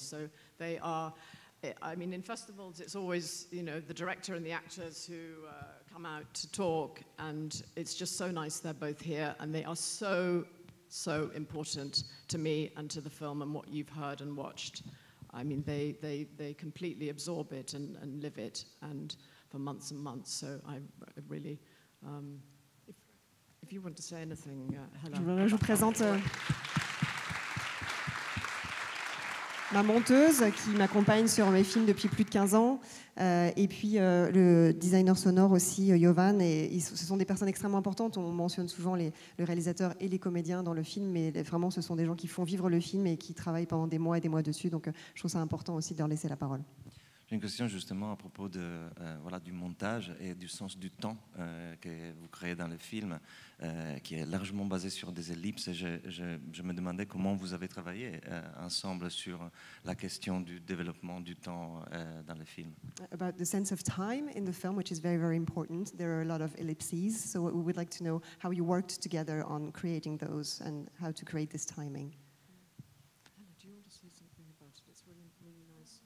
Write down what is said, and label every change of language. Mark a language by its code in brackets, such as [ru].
[en] So they are, I mean, in festivals, it's always, you know, the director and the actors who come out to talk, and it's just so nice they're both here, and they are so, so important to me and to the film and what you've heard and watched. I mean, they completely absorb it and live it, and for months and months. So I really, if you want to say anything, hello. [fr] Je vous présente ma monteuse qui m'accompagne sur mes films depuis plus de 15 ans, et puis le designer sonore aussi, Jovan. Ce sont des personnes extrêmement importantes. On mentionne souvent le réalisateur et les comédiens dans le film, mais vraiment ce sont des gens qui font vivre le film et qui travaillent pendant des mois et des mois dessus. Donc je trouve ça important aussi de leur laisser la parole. J'ai une question justement à propos de, voilà, du montage et du sens du temps que vous créez dans le film, qui est largement basé sur des ellipses. Je me demandais comment vous avez travaillé ensemble sur la question du développement du temps dans le film. [en] About the sense of time in the film, which is very, very important. There are a lot of ellipses, so we would like to know how you worked together on creating those and how to create this timing. Hannah, do you want to say something about it? It's really, really nice.